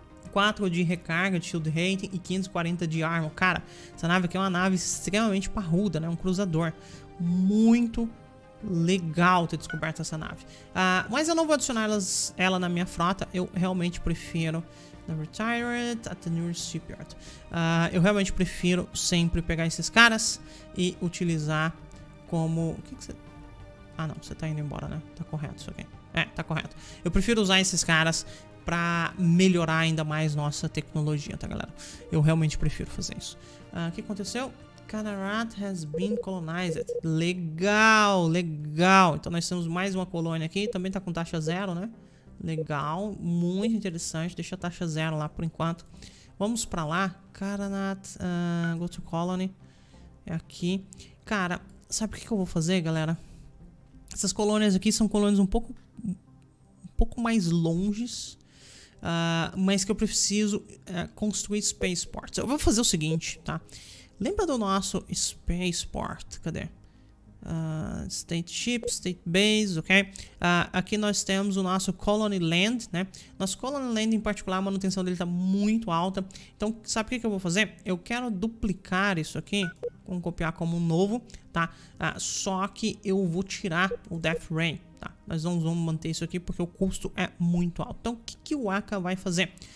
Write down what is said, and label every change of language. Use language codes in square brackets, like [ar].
[pt] 4 de recarga de shield rating e 540 de armor. Cara, essa nave aqui é uma nave extremamente parruda, né? Um cruzador. Muito legal ter descoberto essa nave. Mas eu não vou adicionar ela na minha frota. Eu realmente prefiro... [en] Retired at the nearest shipyard. [pt] Eu realmente prefiro sempre pegar esses caras e utilizar como... O que que você... Ah, não. Você tá indo embora, né? Tá correto isso aqui. É, tá correto. Eu prefiro usar esses caras pra melhorar ainda mais nossa tecnologia, tá, galera? Eu realmente prefiro fazer isso. O que aconteceu? [en] Canarat has been colonized. [pt] Legal, legal. Então nós temos mais uma colônia aqui. Também tá com taxa zero, né? Legal, muito interessante. Deixa a taxa zero lá por enquanto. Vamos pra lá. Canarat, [en] go to colony. [pt] É aqui. Cara, sabe o que eu vou fazer, galera? Essas colônias aqui são colônias um pouco mais longes, mas que eu preciso construir spaceports. Eu vou fazer o seguinte, tá? Lembra do nosso spaceport? Cadê? [en] State ship, state base, ok? [pt] Aqui nós temos o nosso colony land, né? Nosso colony land em particular, a manutenção dele tá muito alta. Então, sabe o que eu vou fazer? Eu quero duplicar isso aqui. Vamos copiar como um novo, tá? Só que eu vou tirar o Death Rain, tá? Nós não vamos manter isso aqui porque o custo é muito alto. Então, o que, que o Aka vai fazer?